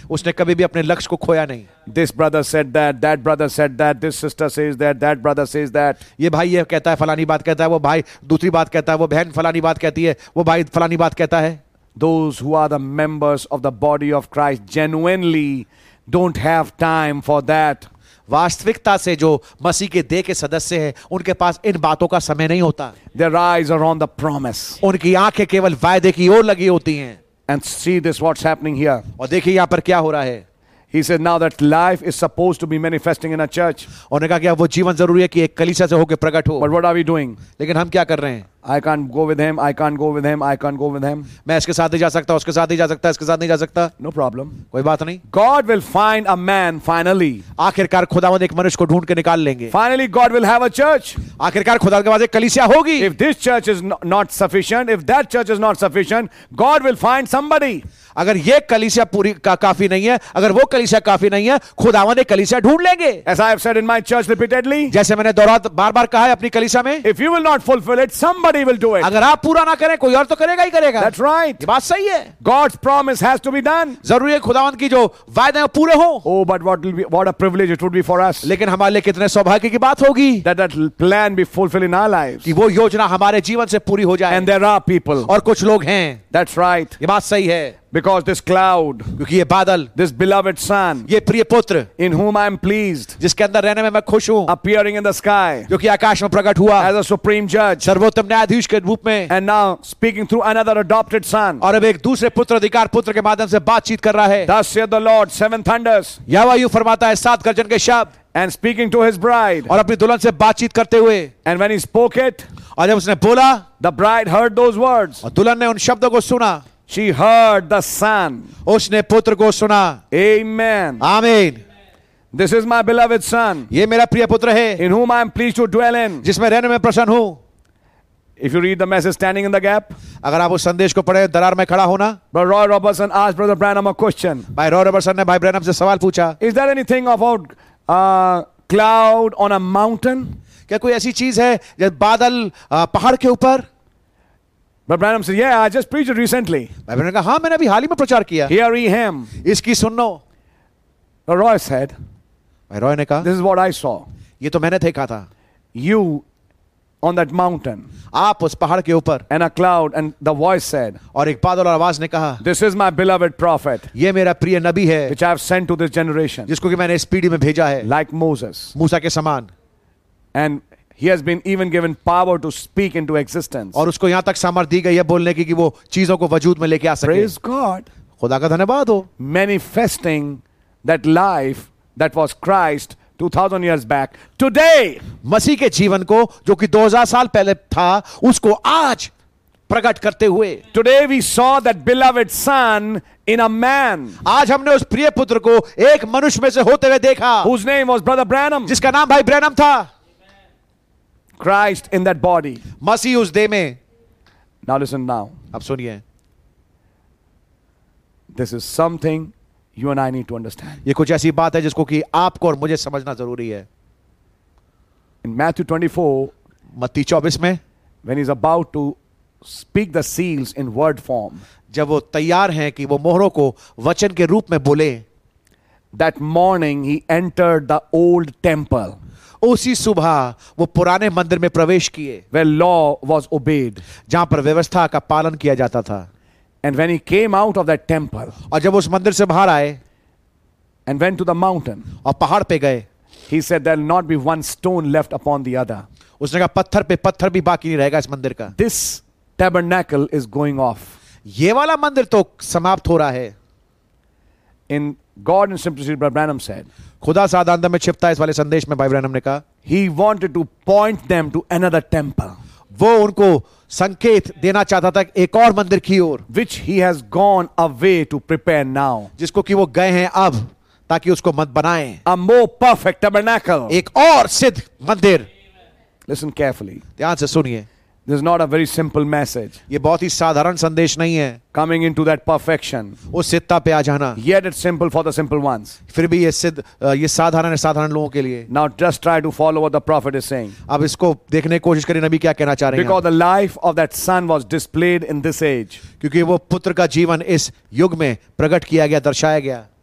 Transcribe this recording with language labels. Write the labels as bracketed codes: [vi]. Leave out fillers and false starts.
[hi] उसने कभी भी अपने लक्ष्य को खोया नहीं. [en] This brother said that. That brother said that. This sister says that. That brother says that. [hi] ये भाई ये कहता है फलानी बात कहता है. वो भाई दूसरी बात कहता है. वो बहन फलानी बात कहती है. वो भाई फलानी बात कहता है. [en] Those who are the members of the body of Christ genuinely don't have time for that. [hi] वास्तविकता से जो मसीह के देह के सदस्य हैं, उनके पास इन बातों का समय नहीं होता. [en] Their eyes are on the promise. [hi] उनकी आंखें केवल वायदे की ओर लगी होती हैं. [en] And see this what's happening here. [hi] और देखिए यहाँ पर क्या हो रहा है. [en] He said, "Now that life is supposed to be manifesting in a church." [hi] उन्होंने कहा कि अब वो जीवन जरूरी है कि एक कलीसिया से होकर प्रकट हो. [en] But what are we doing? [hi] लेकिन हम क्या कर रहे हैं? [en] I can't go with him. I can't go with him. I can't go with him. [hi] मैं इसके साथ नहीं जा सकता. उसके साथ नहीं जा सकता. इसके साथ नहीं जा सकता. [en] No problem. [hi] कोई बात नहीं. [en] God will find a man finally. [hi] आखिरकार खुदावंद एक मनुष्य को ढूंढ के निकाल लेंगे. [en] Finally, God will have a church. [hi] आखिरकार खुदा के पास एक कलीसिया होगी. [en] If this church is not sufficient, if that church is not sufficient, God will find somebody. [hi] अगर ये कलीसिया पूरी काफी नहीं है, अगर वो कलीसिया काफी नहीं है, खुदावंद एक कलीसिया ढूंढ लेंगे. [en] As I have said in my church repeatedly. [hi] जैसे मैंने दोहरा बार-बार कहा है अपनी कलीसिया में. [en] If you will not fulfill it, some Somebody will do it. [hi] अगर आप पूरा ना करें कोई और तो करेगा ही करेगा. [en] That's right. [hi] ये बात सही है. [en] God's promise has to be done. [hi] जरूरी है खुदावंद की जो वायदे हैं पूरे हों. [en] Oh, but what a privilege it would be for us. [hi] लेकिन हमारे लिए कितने सौभाग्य की बात होगी. [en] That plan be fulfilled in our lives. [hi] कि वो योजना हमारे जीवन से पूरी हो जाए. [en] And there are people. [hi] और कुछ लोग हैं. [en] That's right. [hi] ये बात सही है. [en] Because this cloud, [hi] क्योंकि ये बादल, [en] this beloved son, [hi] ये प्रिय पुत्र, [en] in whom I am pleased, [hi] जिसके अंदर रहने में मैं खुश हूँ, [en] appearing in the sky, [hi] जो कि आकाश में प्रकट हुआ, [en] as a supreme judge, [hi] सर्वोत्तम न्यायाधीश के रूप में, [en] and now speaking through another adopted son, [hi] और अब एक दूसरे पुत्र अधिकार पुत्र के माध्यम से बातचीत कर रहा है, [en] thus saith the Lord, seven thunders, [hi] यहोवा यूं फरमाता है सात गर्जन के शब्द, [en] and speaking to his bride, [hi] और अपनी दुल्हन से बातचीत करते हुए, [en] and when he spoke it, [hi] और जब उसने बोला, [en] the bride heard those words, [hi] और दुल्हन ने उन शब्दों को सुना. [en] She heard the son. [hi] उसने पुत्र को सुना. [en] Amen. Amen. This is my beloved son. [hi] ये मेरा प्रिय पुत्र है. [en] In whom I am pleased to dwell in. [hi] जिसमें रहने में प्रसन्न हूँ. [en] If you read the message standing in the gap. [hi] अगर आप उस संदेश को पढ़े दरार में खड़ा होना. [en] But Roy Robertson asked Brother Branham a question. [hi] भाई रॉय रॉबर्टसन ने भाई ब्रैनम से सवाल पूछा. [en] Is there anything about cloud on a mountain? [hi] क्या कोई ऐसी चीज है जैसे बादल पहाड़ के ऊपर? [en] But Branham said, "Yeah, I just preached recently." My brother said, [hi] "Haan, maine abhi haal hi mein prachar kiya." [en] Here he him. [hi] Iski sunno. [en] Roy said, [hi] "My Roy ne kaha, [en] this is what I saw." [hi] ये तो मैंने देखा था. [en] you on that mountain, [hi] आप उस पहाड़ के ऊपर. [en] and a cloud and the voice said, [hi] और एक बादल और आवाज ने कहा, [en] this is my beloved prophet, [hi] ये मेरा प्रिय नबी है, [en] which I have sent to this generation, [hi] जिसको कि मैंने इस पीढ़ी में भेजा है, [en] like Moses, [hi] मूसा के समान. [en] And He has been even given power to speak into existence. [hi] और उसको यहाँ तक सामर्थ्य दी गई है बोलने की कि वो चीजों को वजूद में लेके आ सके. [en] Praise God. [hi] खुदा का धन्यवाद हो. [en] Manifesting that life that was Christ 2000 years back today. [hi] मसीह के जीवन को जो कि 2000 साल पहले था उसको आज प्रकट करते हुए. [en] Today we saw that beloved son in a man. [hi] आज हमने उस प्रिय पुत्र को एक मनुष्य में से होते हुए देखा. [en] Whose name was Brother Branham. [hi] जिसका नाम भाई ब्रैनम था. [en] Christ in that body. [hi] मसीह उस देह में. [en] Now listen now. [hi] अब सुनिए. [en] This is something you and I need to understand. [hi] ये कुछ ऐसी बात है जिसको कि आपको और मुझे समझना जरूरी है. [en] In Matthew 24, [hi] मत्ती 24 में, [en] when he is about to speak the seals in word form, [hi] जब वो तैयार हैं कि वो मोहरों को वचन के रूप में बोले, [en] that morning he entered the old temple. [hi] उसी सुबह वो पुराने मंदिर में प्रवेश किए. [en] where law was obeyed, [hi] जहां पर व्यवस्था का पालन किया जाता था. [en] and when he came out of that temple, [hi] और जब उस मंदिर से बाहर आए. [en] and when to the mountain, [hi] और पहाड़ पे गए. [en] he said there will not be one stone left upon the other, [hi] उसने कहा पत्थर पे पत्थर भी बाकी नहीं रहेगा इस मंदिर का. [en] this tabernacle is going off, [hi] ये वाला मंदिर तो समाप्त हो रहा है. [en] In God in simplicity, Brother Branham said. [hi] खुदा सादांत में छिपता इस वाले संदेश में भाई ब्रैनम ने कहा. [en] He wanted to point them to another temple. [hi] वो उनको संकेत देना चाहता था एक और मंदिर की ओर. [en] Which he has gone away to prepare now. [hi] जिसको कि वो गए हैं अब ताकि उसको मत बनाएं. [en] A more perfect tabernacle. [hi] एक और सिद्ध मंदिर. [en] Listen carefully. [hi] ध्यान से सुनिए. [en] This is not a very simple message. [hi] ये बहुत ही साधारण संदेश नहीं है. [en] Coming into that perfection. [hi] उस सिद्धता पे आ जाना. [en] Yet it's simple for the simple ones. [hi] फिर भी ये सिद्ध, ये साधारण है साधारण लोगों के लिए. [en] Now just try to follow what the prophet is saying. [hi] अब इसको देखने की कोशिश करें नबी क्या कहना चाह रहे हैं. [en] Because the life of that son was displayed in this age. [hi] क्योंकि वो पुत्र का जीवन इस युग में प्रकट किया गया, दर्शाया गया.